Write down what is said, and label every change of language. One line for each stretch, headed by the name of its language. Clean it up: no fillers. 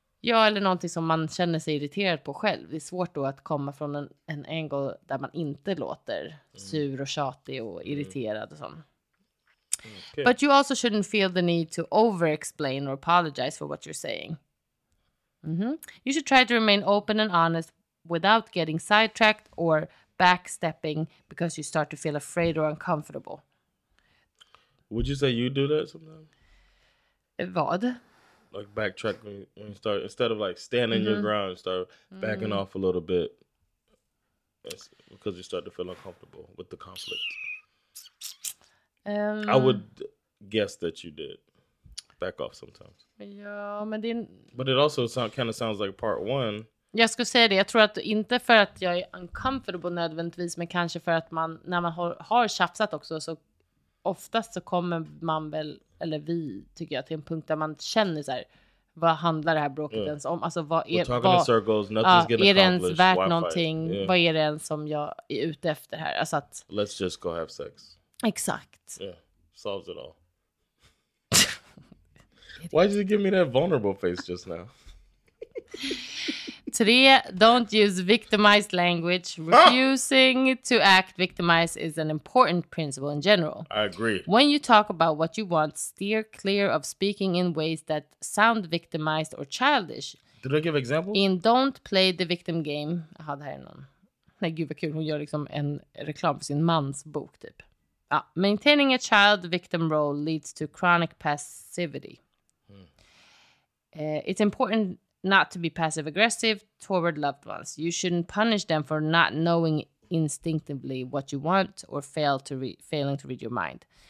Swedish: Ja, eller någonting som man känner sig irriterad på själv. Det är svårt då att komma från en angle där man inte låter sur och tjatig och irriterad och sånt.
English: Okay. But you also shouldn't feel the need to overexplain or apologize for what you're saying. Mm-hmm. You should try to remain open and honest without getting sidetracked or backstepping because you start to feel afraid or uncomfortable. Would you say you do that sometimes?
Swedish: Vad?
English: Like backtrack when you start, instead of like standing your ground, start backing off a little bit. It's because you start to feel uncomfortable with the conflict. I would guess that you did. Back off sometimes.
Swedish: Ja, men det...
English: But it also kind of sounds like part one.
Swedish: Jag skulle säga det. Jag tror att inte för att jag är uncomfortable nödvändigtvis, men kanske för att man, när man har tjafsat också, så oftast så kommer man väl, eller vi tycker jag, till en punkt där man känner så här, vad handlar det här bråket ens om? Alltså, vad är, är det ens värt någonting?
English: Yeah.
Swedish: Vad är det ens som jag är ute efter här? Alltså att,
English: let's just go have sex.
Swedish: Exakt.
English: Yeah. Solves it all. Why did you give me that vulnerable face just now? 3, don't use victimized language. Refusing to act victimized is an important principle in general. I agree. When you talk about what you want, steer clear of speaking in ways that sound victimized or childish. Did I give examples? In don't play the victim game.
Swedish: Aha, det här är någon. Nej, gud vad kul. Hon gör liksom en reklam för sin mans bok typ.
English: Ah, maintaining a child victim role leads to chronic passivity. It's important not to be passive aggressive toward loved ones. You shouldn't punish them for not knowing instinctively what you want or failing to read your mind.